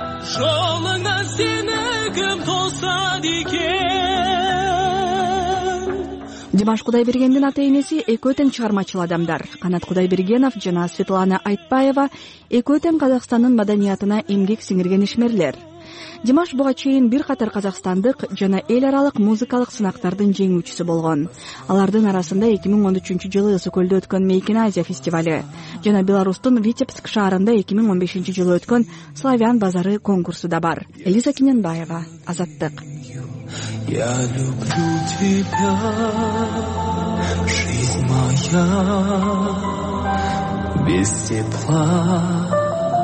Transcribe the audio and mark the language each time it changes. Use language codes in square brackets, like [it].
[kk] Жолыңа сені кім тоса дикен. [ky] Димаш Кудайбергендин ата-энеси экөө тең чыгармачыл адамдар. Канат Кудайбергенов жана Светлана Айтбаева экөө тең Казакстандын маданиятына эмгек сиңирген ишмерлер. Димаш буга чейин бир катар казакстандык жана эл аралык музыкалык сынактардын жеңүүчүсү болгон. Алардын арасында 2013 жылы Сөкөлдө өткөн Мейкин Азия фестивалы жана Беларусьтун Витебск шаарында 2015 жылы өткөн Славян базары конкурсу да бар. Элиза Кененбаева, Азаттык. [ru] Я люблю тебя, жизнь моя, без тепла.